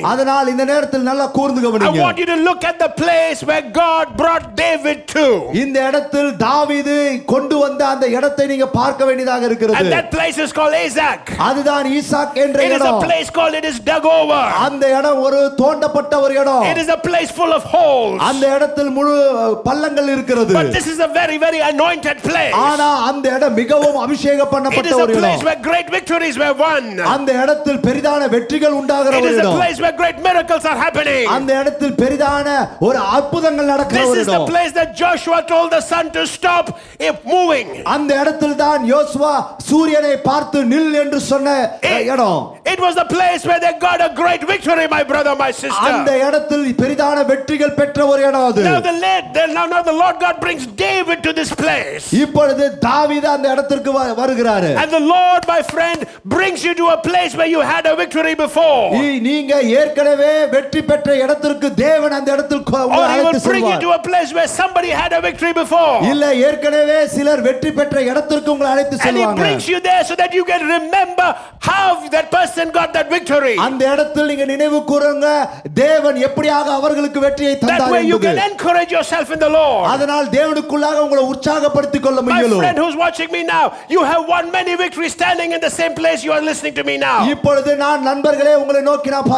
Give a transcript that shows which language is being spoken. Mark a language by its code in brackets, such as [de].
[ta] அதனால் இந்த நேரத்தில் நல்லா கூர்ந்து கவனியுங்க. [en] I want you to look at the place where God brought David to. [ta] இந்த இடத்தில் தாவீது கொண்டு வந்த அந்த இடத்தை நீங்க பார்க்க வேண்டியதாக இருக்கிறது. [en] And that place is called Isaac. [ta] அதுதான் ஈசாக் என்ற இடம். [en] It is a place called it is Dagover. [ta] அந்த இடம் ஒரு தோண்டப்பட்ட ஒரு இடம். [en] It is a place full of holes. [ta] அந்த இடத்தில் முழு பள்ளங்கள் இருக்கிறது. [en] But this is a very very anointed place. [ta] ஆனா அந்த இடம் மிகவும் அபிஷேகம் பண்ணப்பட்ட ஒரு இடம். [en] It is a place where great victories were won. [ta] அந்த இடத்தில் பெரிதான வெற்றிகள் உண்டாகிற ஒரு இடம். [en] It is a place where great great miracles are happening. [ta] அந்த இடத்தில் பெரிதான ஒரு அற்புதங்கள் நடக்கிறது. [en] This is the place that Joshua told the sun to stop if moving. [ta] அந்த இடத்தில் தான் யோசுவா சூரியனை பார்த்து நில் என்று சொன்ன இடம். [en] It was the place where they got a great victory, my brother, my sister. [ta] அந்த இடத்தில் பெரிதான வெற்றிகள் பெற்ற ஒரு இடம் அது. [en] Now the Lord God brings David to this place. [ta] இப்பொழுது தாவீது அந்த இடத்துக்கு வருகிறார். [en] And the Lord, my friend, brings you to a place where you had a victory before. [ta] நீங்க ஏற்கனவே வெற்றி பெற்ற இடத்துக்கு தேவன் அந்த இடத்துக்கு உங்களை அழைத்து செல்வார். [en] Bring you to a place where somebody had a victory before. [ta] இல்ல ஏற்கனவே சிலர் வெற்றி பெற்ற இடத்துக்கு உங்களை அழைத்து செல்வாங்க. [en] And he brings you there so that you can remember how that person got that victory. [ta] அந்த இடத்துல நீங்க நினைவு கூறுங்க தேவன் எப்படியாக அவங்களுக்கு வெற்றியை தந்தார் என்பது. [en] That way you can encourage yourself in the Lord. [ta] அதனால் தேவனுக்குள்ளாக உங்களை உற்சாகப்படுத்திக் கொள்ள முடியும். [en] My friend who's watching me now, you have won many victories standing in the same place you are listening to me now. [ta] இப்பொழுது நான் நண்பர்களே உங்களை நோக்கி